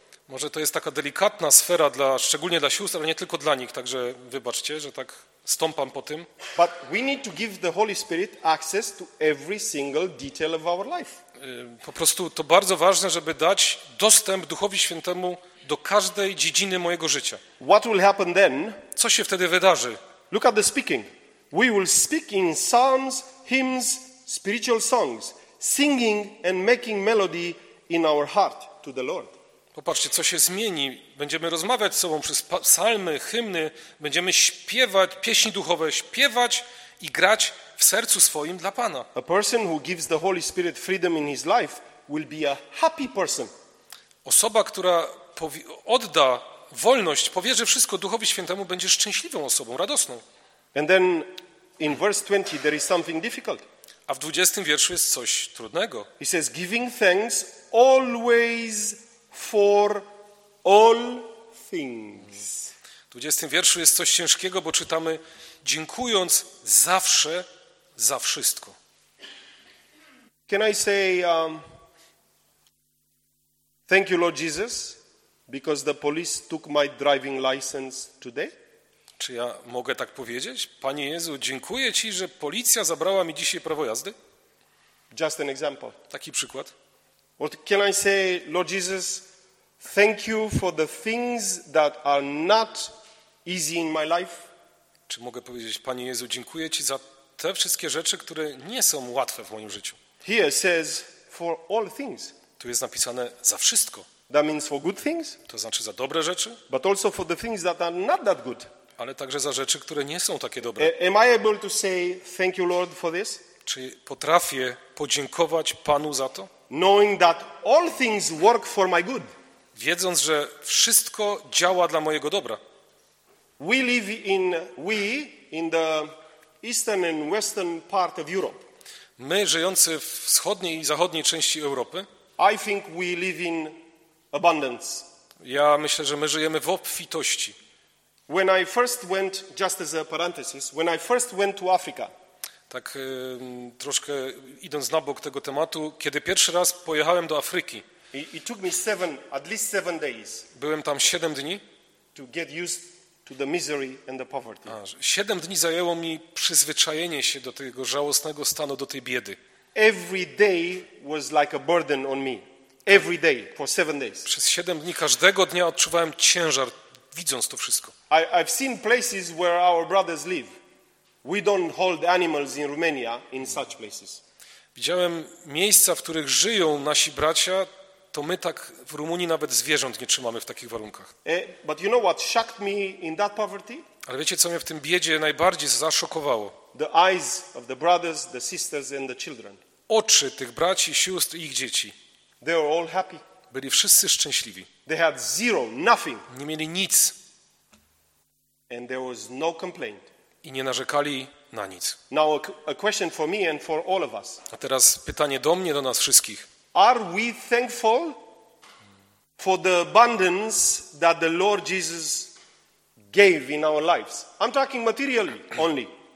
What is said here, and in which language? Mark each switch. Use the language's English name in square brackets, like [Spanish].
[Polish] Może to jest taka delikatna sfera dla, szczególnie dla sióstr, ale nie tylko dla nich, także wybaczcie, że tak stąpam po tym. [English] But we need to give the Holy Spirit access to every single detail of our life. [Polish] Po prostu to bardzo ważne, żeby dać dostęp Duchowi Świętemu do każdej dziedziny mojego życia. [English] What will happen then? [Polish] Co się wtedy wydarzy? [English] Look at the speaking. We will speak in psalms, hymns, spiritual songs, singing and making melody in our heart to the Lord. [Polish] Popatrzcie, co się zmieni. Będziemy rozmawiać z sobą przez psalmy, hymny, będziemy śpiewać, pieśni duchowe, śpiewać i grać w sercu swoim dla Pana. [English] A person who gives the Holy Spirit freedom in his life will be a happy person. [Polish] Osoba, która odda wolność, powierzy wszystko Duchowi Świętemu, będzie szczęśliwą osobą, radosną. [English] And then in verse 20 there is something difficult. [Polish] A w 20 wierszu jest coś trudnego. [English] He says giving thanks always for all things. [Polish] W 20 wierszu jest coś ciężkiego, bo czytamy dziękując zawsze za wszystko. [English] Can I say thank you Lord Jesus because the police took my driving license today? [Polish] Czy ja mogę tak powiedzieć? Panie Jezu, dziękuję ci, że policja zabrała mi dzisiaj prawo jazdy. [English] Just an example. [Polish] Taki przykład. [English] What can I say Lord Jesus? Thank you for the things that are not easy in my life. [Polish] Czy mogę powiedzieć, Panie Jezu, dziękuję ci za te wszystkie rzeczy, które nie są łatwe w moim życiu. [English] Here says for all things. [Polish] Tu Tu jest napisane za wszystko. [English] That means for good things. [Polish] To znaczy za dobre rzeczy. [English] But also for the things that are not that good. [Polish] Ale także za rzeczy, które nie są takie dobre. [English] Am I able to say thank you, Lord, for this? [Polish] Czy potrafię podziękować Panu za to? [English] Knowing that all things work for my good. [Polish] Wiedząc, że wszystko działa dla mojego dobra. [English] We live in the eastern and western part of Europe. [Polish] My żyjący w wschodniej i zachodniej części Europy. [English] I think we live in abundance. [Polish] Ja myślę, że my żyjemy w obfitości. [English] When I first went, just as a parenthesis, when I first went to Africa. [Polish] Tak troszkę idąc na bok tego tematu, kiedy pierwszy raz pojechałem do Afryki. [English] It took me seven, at least seven days. [Polish] Byłem tam 7 dni. [English] To get used to the misery and the poverty. [Polish] 7 dni zajęło mi przyzwyczajenie się do tego żałosnego stanu, do tej biedy. [English] Every day was like a burden on me. Every day for 7 days. [Polish] Przez 7 dni każdego dnia odczuwałem ciężar, widząc to wszystko. [English] I've seen places where our brothers live. We don't hold animals in Romania in such places. [Polish] Widziałem miejsca, w których żyją nasi bracia, to my tak w Rumunii nawet zwierząt nie trzymamy w takich warunkach. [English] But you know what shocked me in that poverty? [Polish] Ale wiecie, co mnie w tym biedzie najbardziej zaszokowało? [English] The eyes of the brothers, the sisters and the children. [Polish] Oczy tych braci, sióstr i ich dzieci. [English] They were all happy. [Polish] Byli wszyscy szczęśliwi. [English] They had zero, nothing. [Polish] Nie mieli nic. [English] And there was no complaint. [Polish] I nie narzekali na nic. [English] Now a question for me and for all of us. [Polish] A teraz pytanie do mnie, do nas wszystkich. [English] Are we thankful for the abundance that the Lord Jesus gave in our lives? I'm talking materially only.